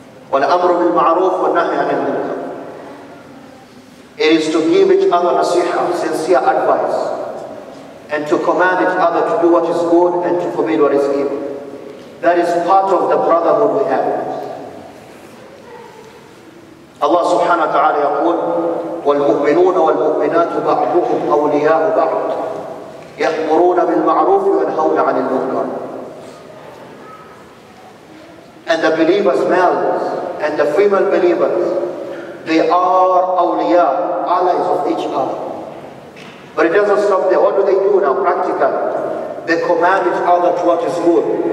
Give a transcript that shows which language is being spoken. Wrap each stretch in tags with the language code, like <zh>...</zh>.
<ar>Wal-amru bil-ma'roof wal-nahy anil munkar.</ar> <en>It is to give each other nasiha, sincere advice, and to command each other to do what is good and to forbid what is evil. That is part of the brotherhood we have.</en> <ar>Allah subhanahu wa ta'ala yaqul, وَالْمُؤْمِنُونَ وَالْمُؤْمِنَاتُ بَعْضُهُمْ أَوْلِيَاءُ بَعْضُ يَأْمُرُونَ بِالْمَعْرُوفِ وَيَنْهَوْنَ عَنِ الْمُنْكَرِ.</ar> <en>And the believers, males and the female believers, they are awliya, allies of each other. But it doesn't stop there. What do they do now, practically? They command each other to what is good.</en>